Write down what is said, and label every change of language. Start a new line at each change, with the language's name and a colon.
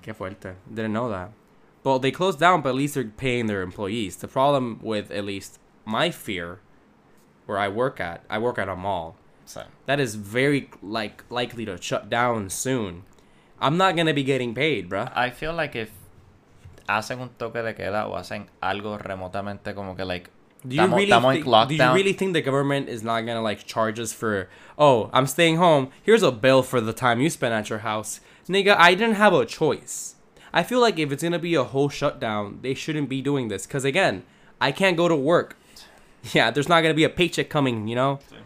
Spanish: Qué fuerte.
English: Didn't know that. Well, they closed down, but at least they're paying their employees. The problem with, at least, my fear, where I work at a mall. So. That is very, likely to shut down soon. I'm not going to be getting paid, bruh. I feel like if
Spanish: hacen un toque de queda o hacen algo remotamente como que,
English: like, Do you really think the government is not going to, like, charge us for, oh, I'm staying home, here's a bill for the time you spent at your house? Nigga, I didn't have a choice. I feel like if it's going to be a whole shutdown, they shouldn't be doing this. Because, again, I can't go to work. Yeah, there's not going to be a paycheck coming, you know?